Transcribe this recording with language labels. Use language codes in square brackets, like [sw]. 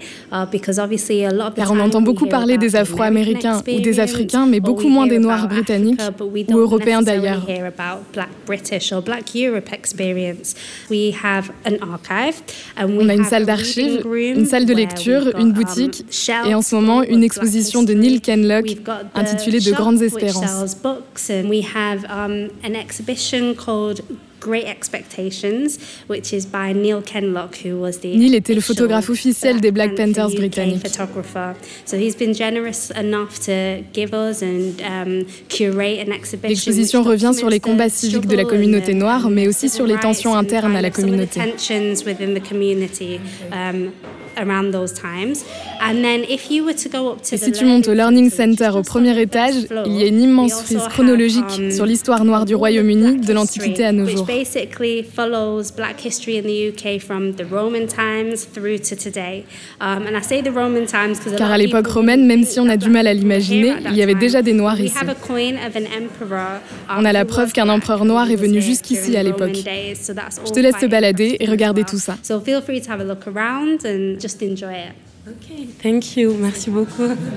[fr] Car on entend beaucoup parler des Afro-Américains ou des Africains, mais beaucoup moins des Noirs britanniques ou Européens d'ailleurs. On a une salle d'archives, une salle de lecture, une boutique et en ce moment, une exposition de Neil Kenlock intitulée De Grandes Espérances. [en] An exhibition called Great Expectations, which is by Neil Kenlock, who was the [fr] Neil était le photographe officiel des Black Panthers britanniques. [en] So he's been generous enough to give us and curate an exhibition. [fr] L'exposition revient sur les combats civiques de la communauté noire, mais aussi sur les tensions internes à la communauté. [en] Tensions within the community. Around those times. And then if you were to go up to [fr] et si tu montes au Learning Center au premier étage, il y a une immense frise chronologique sur l'histoire noire du Royaume-Uni de l'Antiquité à nos jours. [en] Basically follows black history in the UK from the Roman times through to today. And I say the Roman times because [fr] car à l'époque romaine, même si on a du mal à l'imaginer, il y avait déjà des noirs ici. [en] We have a coin of an emperor. [fr] On a la preuve qu'un empereur noir est venu jusqu'ici à l'époque. Je te laisse te balader et regarder tout ça. [en] So feel free to have a look around and just enjoy it. Okay, thank you. [fr] Merci beaucoup.